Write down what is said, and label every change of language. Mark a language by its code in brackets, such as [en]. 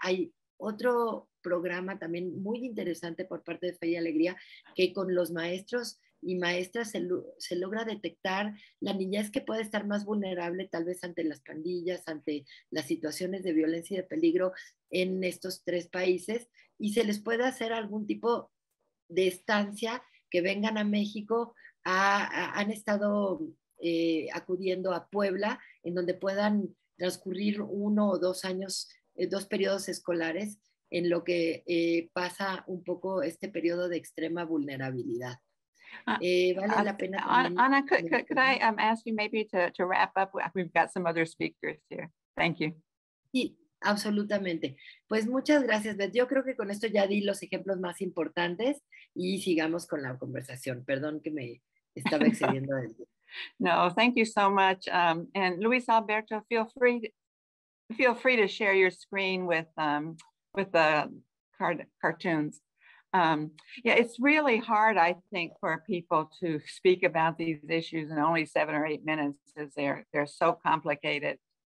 [es] Hay otro programa también muy interesante por parte de Fe y Alegría, que con los maestros y maestras se logra detectar la niñez que puede estar más vulnerable, tal vez ante las pandillas, ante las situaciones de violencia y de peligro en estos tres países, y se les puede hacer algún tipo de estancia, que vengan a México. Han estado acudiendo a Puebla, en donde puedan transcurrir uno o dos años, dos periodos escolares, en lo que pasa un poco este periodo de extrema vulnerabilidad. [en] Anna, could I ask you maybe to wrap up? We've got some other speakers here. Thank you. [es] Sí, absolutamente. Pues muchas gracias, Beth. Yo creo que con esto ya di los ejemplos más importantes y sigamos con la conversación. Perdón que me estaba excediendo. [en] No, thank you so much. And Luis Alberto, feel free to share your screen with the cartoons. Yeah, it's really hard, I think, for people to speak about these issues in only 7 or 8 minutes, as they're so complicated.